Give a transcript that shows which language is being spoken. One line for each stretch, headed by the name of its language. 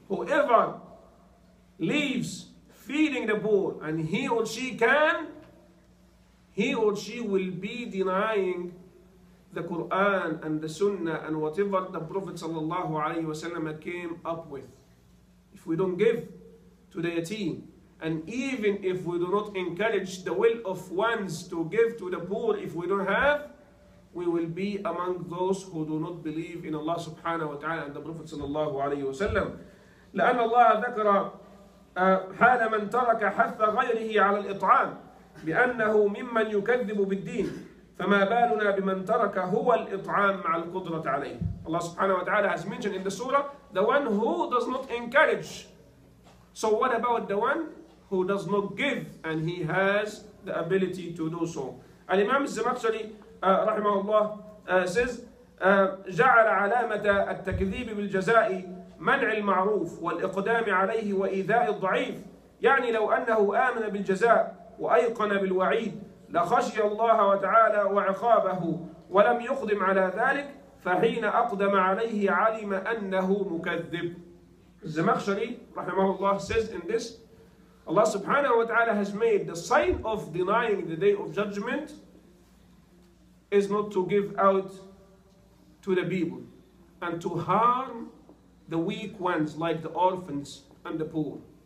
English: Whoever leaves feeding the poor and he or she can, he or she will be denying the Quran and the Sunnah and whatever the Prophet sallallahu alayhi wa sallam came up with. If we don't give to the yatim, and even if we do not encourage the will of ones to give to the poor, if we don't have, we will be among those who do not believe in Allah subhanahu wa ta'ala and the Prophet sallallahu alayhi wa sallam.
Arabic: لأن الله ذكر حال من ترك حث غيره على الإطعام بأنه ممن يكذب بالدين فما بالنا بمن ترك هو الإطعام مع القدرة عليه.
English: Allah subhanahu wa ta'ala has mentioned in the surah, the one who does not encourage. So what about the one who does not give and he has the ability to do so?
Arabic: Al-Imam al-Zamakhshari رحمه الله
English: says,
Arabic: جعل علامة التكذيب بالجزاء منع المعروف والإقدام عليه وإيذاء الضعيف. يعني لو أنه آمن بالجزاء وأيقن بالوعيد لخشي الله وتعالى وعقابه ولم يقدم على ذلك فحين أقدم عليه علم أنه مكذب.
English: الزمخشري
Arabic: رحمه الله
English: says in this, Allah subhanahu wa ta'ala has made the sign of denying the day of judgment is not to give out to the people and to harm the weak ones like the orphans and the poor.